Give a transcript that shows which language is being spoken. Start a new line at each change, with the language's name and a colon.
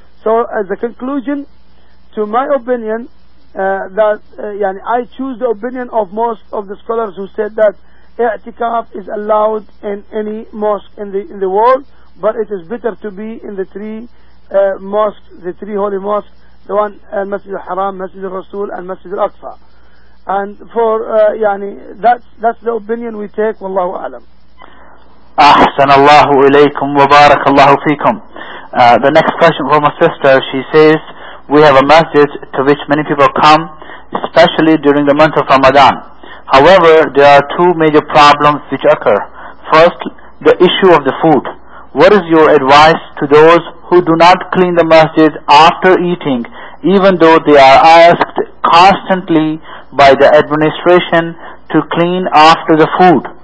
English: So as a conclusion to my opinion, I choose the opinion of most of the scholars who said that i'tikaf is allowed in any mosque in the world, but it is better to be in the three mosques, the three holy mosques, the one Masjid al-Haram, Masjid al-Rasul, and Masjid al-Aqsa. And for yani, that's the opinion we take. Wallahu a'lam.
Arabic: أحسن الله إليكم وبارك الله فيكم.
English: The next question from a sister, she says, we have a masjid to which many people come, especially during the month of Ramadan. However, there are two major problems which occur. First, the issue of the food. What is your advice to those who do not clean the masjid after eating, even though they are asked constantly by the administration to clean after the food?